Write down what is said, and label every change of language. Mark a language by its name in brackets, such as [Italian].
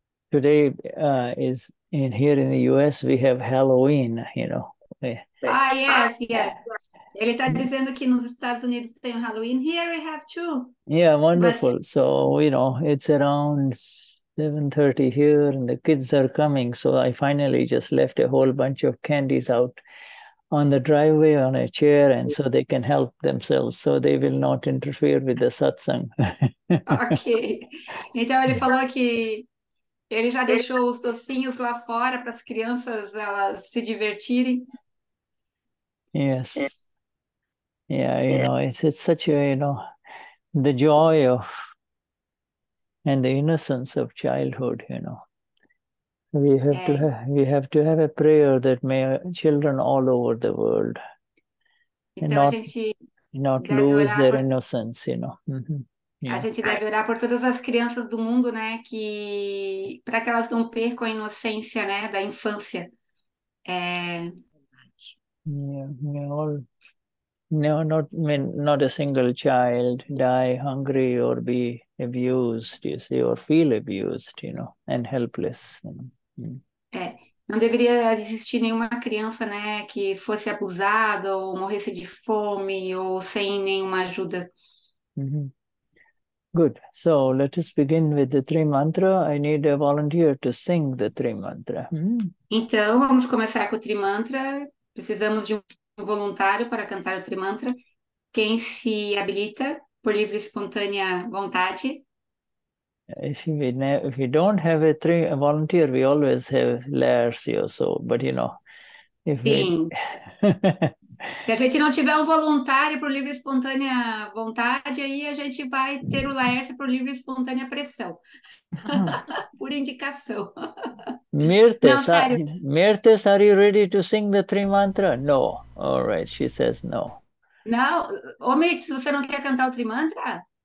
[English] Today is in here in the US we have Halloween, Ah, yes. [Portuguese] Ele está dizendo que nos Estados Unidos tem o Halloween. [English] Here we have too. Mas Wonderful. So, it's around 7:30 here, and the kids are coming. So I finally just left a whole bunch of candies out on the driveway on a chair, and so they can help themselves, so they will not interfere with the satsang. ok. [Portuguese] Então ele falou que ele já deixou os docinhos lá fora para as crianças elas se divertirem. [English] It's such a, the joy of and the innocence of childhood, we have to have a prayer that may children all over the world and [Portuguese] Então a gente [English] not [Portuguese] deve [English] lose [Portuguese] orar [English] their [Portuguese] por. [English] innocence, [Portuguese] A gente deve orar por todas as crianças do mundo, né? Que para que elas não percam a inocência, né? Da infância. [English] No, not a single child die hungry or be abused, or feel abused, and helpless. [Portuguese] Não deveria existir nenhuma criança, né? Que fosse abusada ou morresse de fome ou sem nenhuma ajuda. [English] Good. So let us begin with the three mantra. I need a volunteer to sing the three mantra. [Portuguese] Então, vamos começar com o trimantra. Precisamos de um voluntário para cantar o trimantra. Quem se habilita por livre e espontânea vontade? [English] If we don't have a volunteer, we always have Lars or so, but if we [Portuguese] Sim. Se a gente não tiver um voluntário por livre e espontânea vontade, aí a gente vai ter o Laércio por livre e espontânea pressão. Por indicação. Não, sério. [English] Mirtes, are you ready to sing the three mantra? No. All right, she says no. [Portuguese] Não, ô Mirtz, você não quer cantar o trimantra?